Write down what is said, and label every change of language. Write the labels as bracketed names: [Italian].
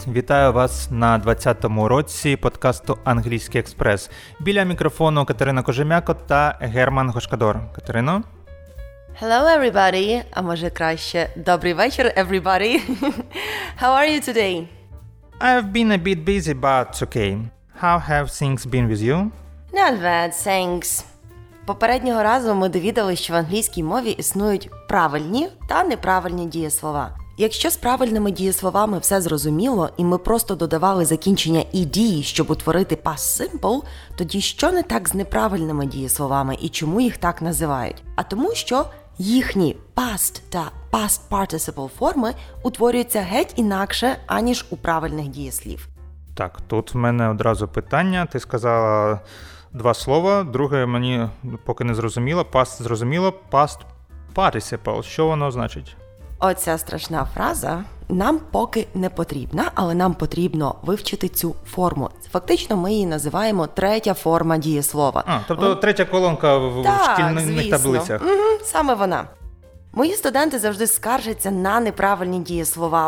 [Ukrainian] Вітаю вас на 20-му році подкасту «Англійський експрес». Біля мікрофону Катерина Кожем'яко та Герман Гошкадор. Катерино? [English] Hello, everybody! [Ukrainian] А може краще, добрий вечір, [English] everybody! How are you today? I've been a bit busy, but it's okay. How have things been with you? Not bad, thanks. [Ukrainian] Попереднього разу ми довідалися, що в англійській мові існують правильні та неправильні дієслова. Якщо з правильними дієсловами все зрозуміло, і ми просто додавали закінчення «ed», щоб утворити past simple, тоді що не так з неправильними дієсловами і чому їх так називають? А тому що їхні past та past participle форми утворюються геть інакше, аніж у правильних дієслів. Так, тут в мене одразу питання. Ти сказала два слова, друге мені поки не зрозуміло. Past зрозуміло, past participle. Що воно значить? Оця страшна фраза нам поки не потрібна, але нам потрібно вивчити цю форму. Фактично ми її називаємо третя форма дієслова. Тобто третя колонка в шкільних звісно. Таблицях. Саме вона. Мої студенти завжди скаржаться на неправильні дієслова.